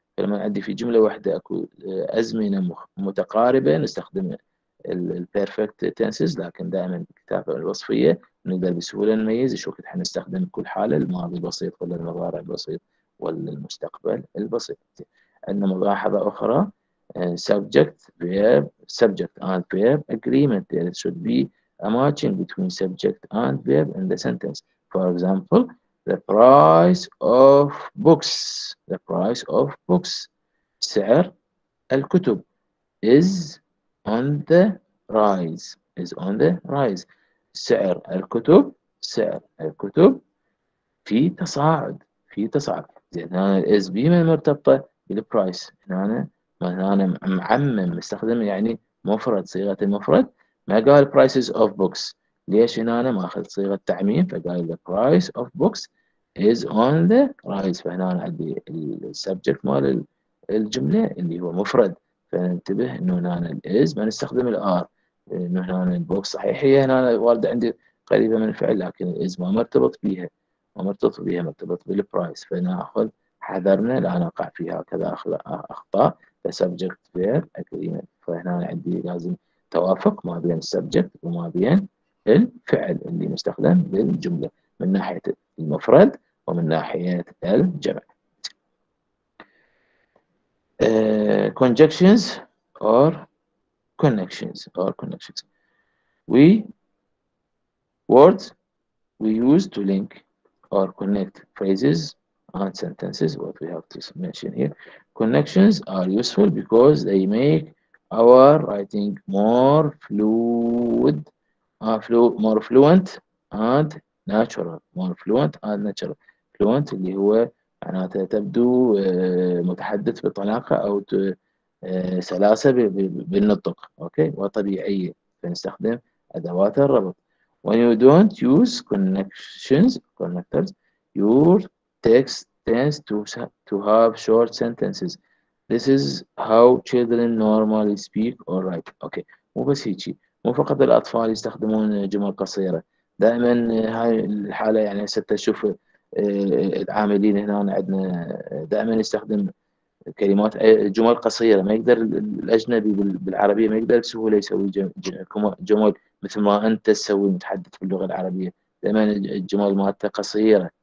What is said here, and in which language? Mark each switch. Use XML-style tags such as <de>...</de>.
<ar>فلما عندي في جملة واحدة اكو أزمنة متقاربة نستخدم البيرفكت تنسز، لكن دائما الكتابة الوصفية نقدر بسهولة نميز شو كنت حنستخدم كل حالة، الماضي البسيط ولا المضارع البسيط ولا المستقبل البسيط. عندنا ملاحظة أخرى</ar> <en>subject verb subject and verb agreement there should be a matching between subject and verb in the sentence. For example, the price of books</en> <ar>سعر الكتب</ar> <en>is on the rise</en> <ar>سعر الكتب في تصاعد. زين هنا الاس بي من مرتبطه بالبرايس، هنا معمم مستخدم يعني مفرد صيغه المفرد، ما قال</ar> <en>prices of books.</en> <ar>ليش هنا أنا ماخذ صيغه تعميم فقال</ar> <en>the price of books is on the rise،</en> <ar>فهنا أنا عندي السبجكت مال الجمله اللي هو مفرد، فننتبه انه هنا أنا الاس ما نستخدم الار، انه هنا أنا البوكس صحيح هي هنا وارده عندي قريبه من الفعل لكن الاس ما مرتبط بيها، مرتبط بالبرايس، فناخذ حذرنا لا نقع فيها كذا اخطاء. سبجكت فير اجريمنت، فهنا عندي لازم توافق ما بين السبجكت وما بين الفعل اللي مستخدم للجمله من ناحيه المفرد ومن ناحيه الجمع.</ar> <en>conjunctions or connections or connections we words we use to link or connect phrases and sentences. What we have to mention here, connections are useful because they make our writing more fluid, more fluent and natural. More fluent and natural.</en> <ar>Fluent اللي هو معناته تبدو متحدث بطلاقة أو سلاسة بالنطق، أوكي، وطبيعية، فنستخدم أدوات الربط.</ar> <en>When you don't use connectors, your text tends to have short sentences. This is how children normally speak or write. Okay.</en> <ar>مو بس هيجي، مو فقط الأطفال يستخدمون جمل قصيرة. دائما هاي الحالة يعني هسه تشوف العاملين هنا عندنا دائما يستخدم كلمات جمل قصيرة، ما يقدر الأجنبي بالعربية ما يقدر بسهولة يسوي جمل مثل ما أنت تسوي متحدث باللغة العربية، دائما الجمل مالته قصيرة.</ar>